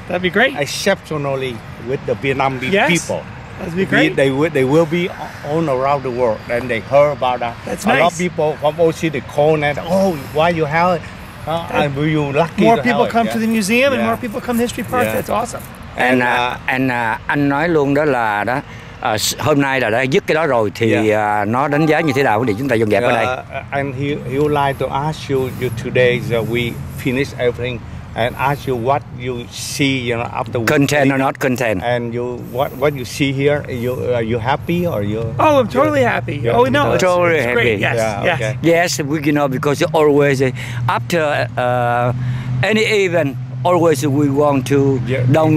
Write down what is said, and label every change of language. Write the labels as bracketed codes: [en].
[en] That'd be great. Exceptionally with the Vietnamese people. That'd be great. They will be all around the world, and they heard about that. That's a nice. A lot of people from OC they call and why you have it. And were you lucky? More people come to the museum and more people come to History Park. Yeah. That's awesome. [vi] Anh nói luôn đó là đó hôm nay là đã dứt cái đó rồi thì nó đánh giá như thế nào để chúng ta dọn dẹp ở đây. [en] And he would like to ask you today that we finish everything and ask you what you see, you know, after content or not content. And you what you see here, you are you happy or you? Oh, I'm totally happy. Oh no, totally it's happy. Great. Yes, yes. Okay. Yes, we, you know, because always after any event, always we want to don't